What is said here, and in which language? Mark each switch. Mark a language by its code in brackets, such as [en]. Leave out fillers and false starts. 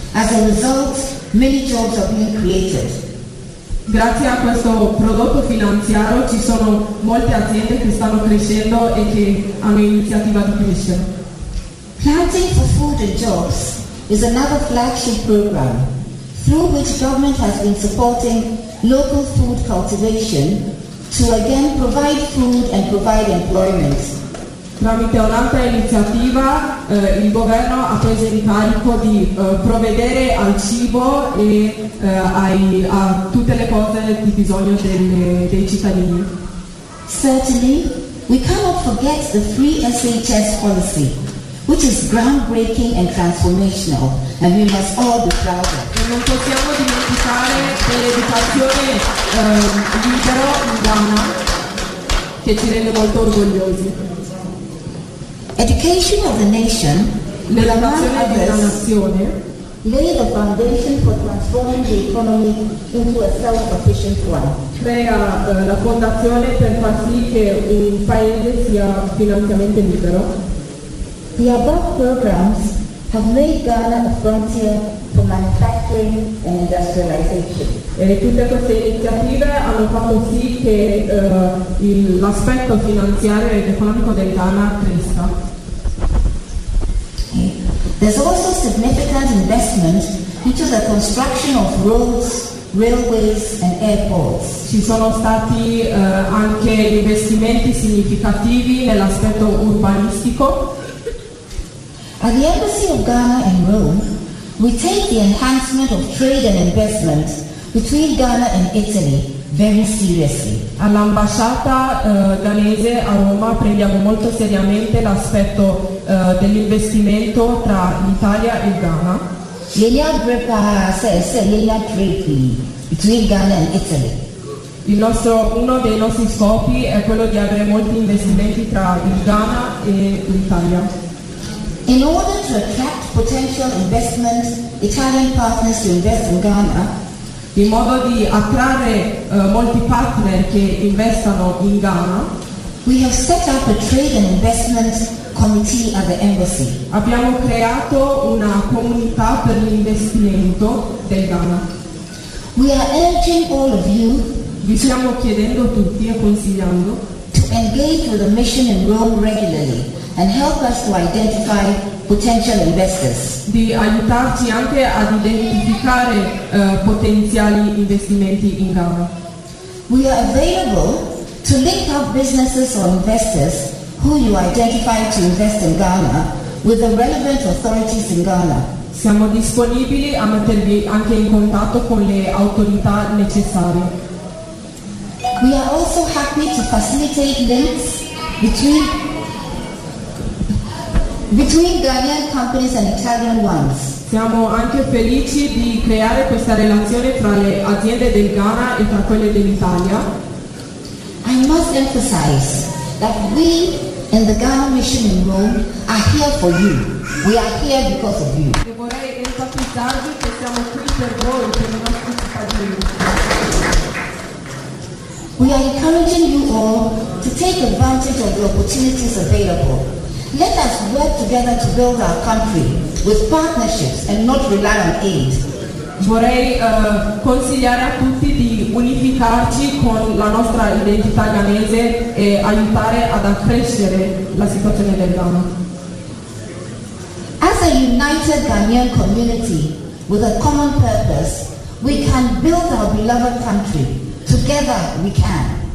[en] As a result, many jobs are being created. [it] Grazie a questo prodotto finanziario ci sono molte aziende che stanno crescendo e che hanno iniziativa di crescere. [en] Planting for Food and Jobs is another flagship program through which government has been supporting local food cultivation to again provide food and provide employment. [it] Tramite un'altra iniziativa il governo ha preso in carico di provvedere al cibo e a tutte le cose di bisogno dei cittadini. [en] Certainly, we cannot forget the free SHS policy, which is groundbreaking and transformational, and we must all be proud of. [it] E non possiamo dimenticare dell'educazione libero in Ghana, che ci rende molto orgogliosi. [en] Education of the nation, [it] l'educazione della nazione, [en] lay the foundation for transforming the economy into a self-sufficient one. [it] Crea la fondazione per far sì che un paese sia finanziamente libero. [en] The above programs have made Ghana a frontier for manufacturing and industrialization. [it] E tutte queste iniziative hanno fatto sì che l'aspetto finanziario ed economico del Ghana cresca. [en] There's also significant investment into the construction of roads, railways and airports. [it] Ci sono stati anche investimenti significativi nell'aspetto urbanistico. [en] At the Embassy of Ghana in Rome, we take the enhancement of trade and investment between Ghana and Italy very seriously. [it] All'ambasciata ghanese a Roma prendiamo molto seriamente l'aspetto dell'investimento tra l'Italia e Ghana. [en] Between Ghana and Italy. [it] Uno dei nostri scopi è quello di avere molti investimenti tra il Ghana e l'Italia. [en] In order to attract potential investment, Italian partners to invest in Ghana, [it] in modo di attrarre molti partner che investano in Ghana, [en] we have set up a trade and investment committee at the embassy. [it] Abbiamo creato una comunità per l'investimento del Ghana. [en] We are urging all of you, [it] vi stiamo chiedendo tutti e consigliando, [en] to engage with the mission in Rome regularly and help us to identify potential investors. [it] Di aiutarci anche ad identificare potenziali investimenti in Ghana. [en] We are available to link up businesses or investors who you identify to invest in Ghana with the relevant authorities in Ghana. [it] Siamo disponibili a mettervi anche in contatto con le autorità necessarie. [en] We are also happy to facilitate links between Ghanaian companies and Italian ones. [it] Siamo anche felici di creare questa relazione tra le aziende del Ghana e tra quelle dell'Italia. [en] I must emphasize that we in the Ghana mission in Rome are here for you. We are here because of you. [it] E vorrei enfatizzarvi che siamo qui per voi, per i nostri cittadini. [en] We are encouraging you all to take advantage of the opportunities available. Let us work together to build our country with partnerships and not rely on aid. [it] Vorrei consigliare a tutti di unificarci con la nostra identità ghanese e aiutare ad accrescere la situazione del Ghana. [en] As a united Ghanaian community with a common purpose, we can build our beloved country. Together we can.